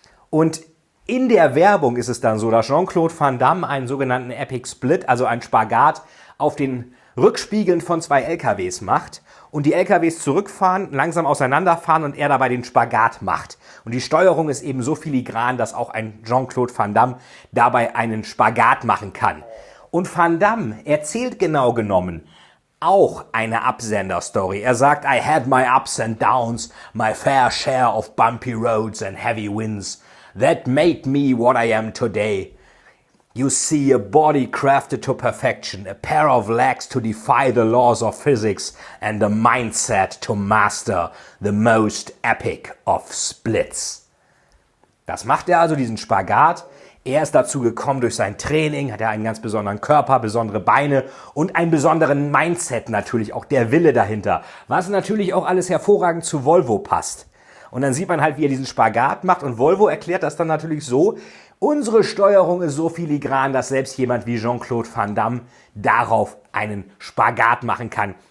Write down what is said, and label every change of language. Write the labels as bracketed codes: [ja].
[de] Und in der Werbung ist es dann so, dass Jean-Claude Van Damme einen sogenannten Epic Split, also einen Spagat, auf den Rückspiegeln von 2 LKWs macht und die LKWs zurückfahren, langsam auseinanderfahren und er dabei den Spagat macht. Und die Steuerung ist eben so filigran, dass auch ein Jean-Claude Van Damme dabei einen Spagat machen kann. Und Van Damme erzählt genau genommen auch eine Absender-Story. Er sagt, [en] I had my ups and downs, my fair share of bumpy roads and heavy winds. That made me what I am today. You see, a body crafted to perfection, a pair of legs to defy the laws of physics, and a mindset to master the most epic of splits. [de] Das macht er also, diesen Spagat. Er ist dazu gekommen durch sein Training, hat er einen ganz besonderen Körper, besondere Beine und einen besonderen Mindset natürlich, auch der Wille dahinter. Was natürlich auch alles hervorragend zu Volvo passt. Und dann sieht man halt, wie er diesen Spagat macht und Volvo erklärt das dann natürlich so, unsere Steuerung ist so filigran, dass selbst jemand wie Jean-Claude Van Damme darauf einen Spagat machen kann.